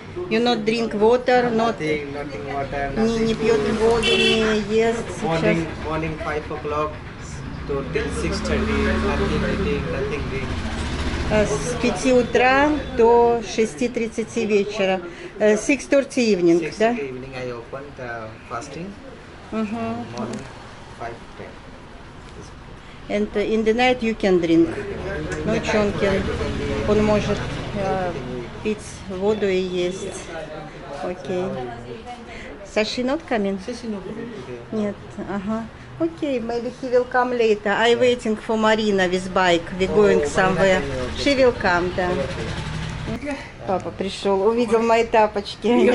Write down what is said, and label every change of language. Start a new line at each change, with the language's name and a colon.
English: You not drink water,
Russian: не пьет воду, не ест сейчас.
English: Morning 5 o'clock to 6:30, nothing.
Russian: С 5 утра до 6:30 вечера.
English: 6:30 evening,
Russian: да?
English: 6:30 evening I open the fasting. Morning 5:10. And in the night you can drink.
Russian: Ну, Чонкин, он может пить воду и есть. Окей.
English: Саши not coming?
Russian: Нет. Ага.
English: Окей, maybe he will come later. I'm waiting for Marina with bike. We're going somewhere. She will come,
Russian: да. Папа пришел, увидел мои тапочки.